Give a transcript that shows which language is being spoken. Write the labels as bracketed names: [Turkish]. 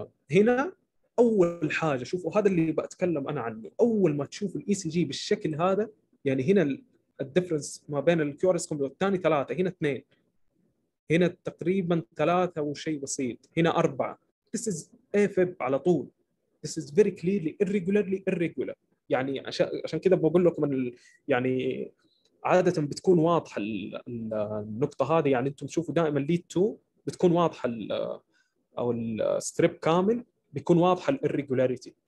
[Arabic] هنا اول حاجه شوفوا، هذا اللي بتكلم انا عنه. اول ما تشوف الاي سي جي بالشكل هذا، يعني هنا الديفرنس ما بين الكيو ار اس كومبلكس والثاني 3، هنا 2، هنا تقريبا 3 وشيء بسيط، هنا 4. [English] This is AFib [Arabic] على طول. [English] This is very clearly irregularly irregular. [Arabic] يعني عشان كده بقول لكم ان يعني عادة بتكون واضحة النقطة هذه. يعني انتم تشوفوا دائما ليد 2 بتكون واضحة، او الستريب كامل بيكون واضحة الريجولاريتي.